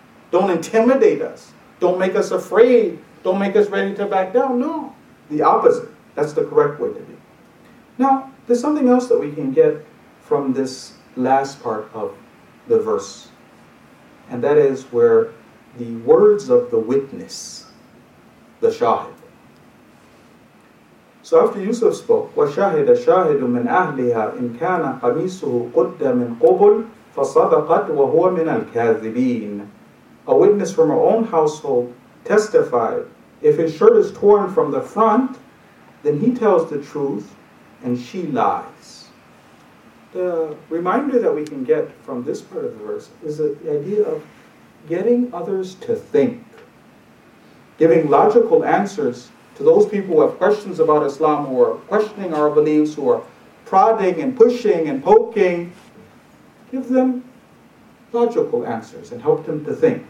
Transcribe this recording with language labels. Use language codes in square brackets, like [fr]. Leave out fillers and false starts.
[en] Don't intimidate us. Don't make us afraid. Don't make us ready to back down. No. The opposite. That's the correct way to be. Now, there's something else that we can get from this last part of the verse. And that is where the words of the witness, the shahid. So after Yusuf spoke, [ar] وَشَهِدَ شَاهِدٌ مِنْ أَهْلِهَا إِنْ كَانَ قَمِيسُهُ قُدَّ مِنْ قُبُلٍ فَصَدَقَتْ وَهُوَ مِنَ الْكَاذِبِينَ. [en] A witness from her own household testified, if his shirt is torn from the front, then he tells the truth and she lies. The reminder that we can get from this part of the verse is the idea of getting others to think, giving logical answers to those people who have questions about Islam, who are questioning our beliefs, who are prodding and pushing and poking, give them logical answers and help them to think.